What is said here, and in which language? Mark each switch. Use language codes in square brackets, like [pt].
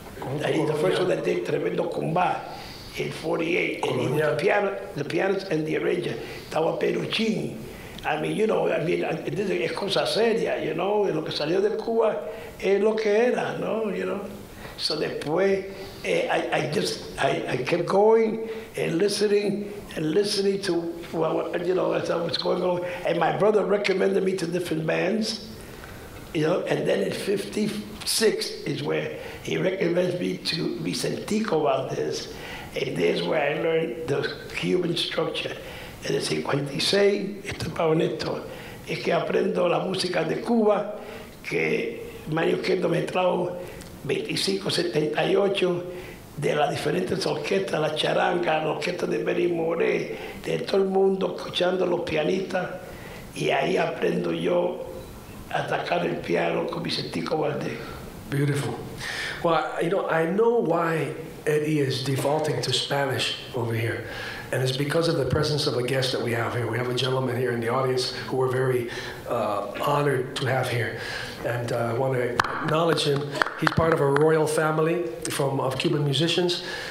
[en] The first one that did Tremendo Cumbá. In 48, and he was the pianist and the arranger. That was Peruchin. I mean, you know, I mean, this is [es] cosa seria, [en] you know? [es] Lo que salió de Cuba es lo que era, no? [en] You know? So [es] después, [en] I kept going and listening to, well, you know, as I was going on. And my brother recommended me to different bands, you know? And then in 56 is where he recommends me to Vicentico Valdez. And there's where I learned the Cuban structure. [es] Es decir, 56, esto es para honesto, es que aprendo la música de Cuba, que Mario Kendo me trajo 25, 78, de las diferentes orquestas, la charanga, la orquesta de Benny Moré, de todo el mundo, escuchando los pianistas, y ahí aprendo yo a tocar el piano con Vicentico Valdez. [en] Beautiful. Well, you know, I know why Eddie is defaulting to Spanish over here. And it's because of the presence of a guest that we have here. We have a gentleman here in the audience who we're very honored to have here. And I want to acknowledge him. He's part of a royal family of Cuban musicians.